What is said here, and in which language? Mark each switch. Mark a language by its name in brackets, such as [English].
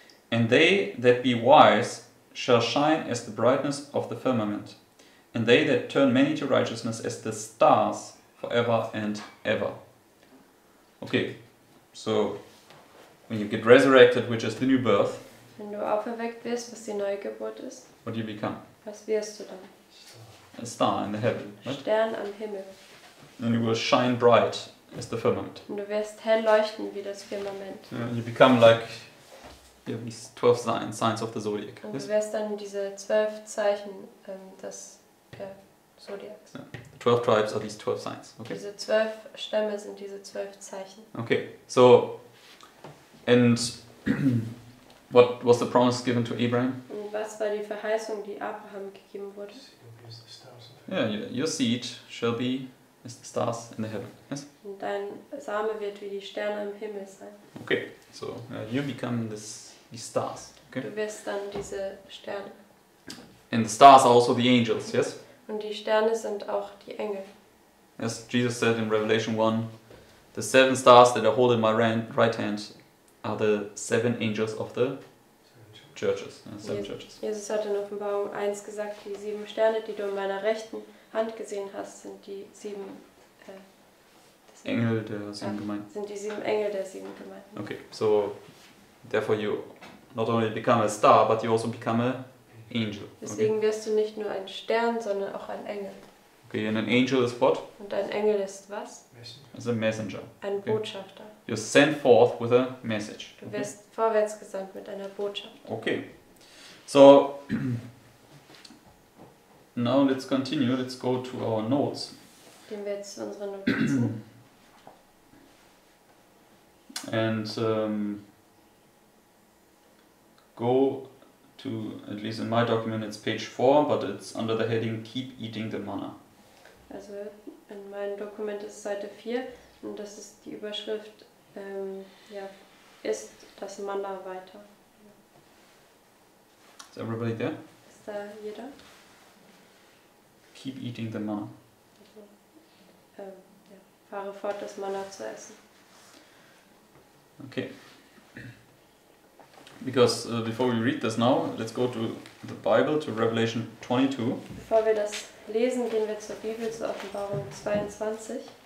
[English] And they that be wise shall shine as the brightness of the firmament, and they that turn many to righteousness as the stars forever and ever. Okay, so when you get resurrected, which is the new birth, [German] wenn du auferweckt wirst, was die neue Geburt ist, [English] what do you become? [German] Was wirst du dann? [English] A star in the heaven. Right? [German] Stern am Himmel. [English] And you will shine bright as the firmament. [German] Und du wirst hell leuchten wie das Firmament. [English] And you become like these 12 signs of the zodiac. [German] Und du wirst dann diese 12 Zeichen des Zodiacs. [English] Yeah. The 12 tribes are these 12 signs. Okay. [German] Diese 12 Stämme sind diese 12 Zeichen. [English] Okay. So, and what was the promise given to Abraham? [German] Und was war die Verheißung, die Abraham gegeben wurde? [English] Yeah, your seed shall be as the stars in the heaven. Yes. [German] Und dein Same wird wie die Sterne im Himmel sein. [English] Okay, so you become these stars. Okay. [German] Du wirst dann diese Sterne. [English] And the stars are also the angels. Yes. [German] Und die Sterne sind auch die Engel. [English] Yes, Jesus said in Revelation 1, the seven stars that I hold in my right hand are the seven angels of the Churches, seven churches. [German] Jesus hat in Offenbarung 1 gesagt, die sieben Sterne, die du in meiner rechten Hand gesehen hast, sind die sieben Engel der sieben Gemeinden. Sind die sieben Engel der sieben Gemeinden. [English] Okay, so therefore you not only become a star, but you also become an angel. [German] Deswegen wirst du nicht nur ein Stern, sondern auch ein Engel. [English] Okay, and an angel is what? [German] Und ein Engel ist was? [English] As a messenger. [German] Ein Botschafter. [English] Okay. You're sent forth with a message. [German] Du wirst vorwärts gesandt mit einer Botschaft. [English] Okay. So, now let's continue. Let's go to our notes. [German] Gehen wir jetzt zu unseren Notizen. [English] And go to, at least in my document, it's page 4, but it's under the heading Keep Eating the Manna. [German] Also in meinem Dokument ist Seite 4 und das ist die Überschrift isst das Manna weiter. [English] Is everybody there? [German] Ist da jeder? [English] Keep eating the manna. [German] Also, fahre fort, das Manna zu essen. [English] Okay. Because before we read this now, let's go to the Bible, to Revelation 22. [German] Bevor wir das lesen, gehen wir zur Bibel, zur Offenbarung 22.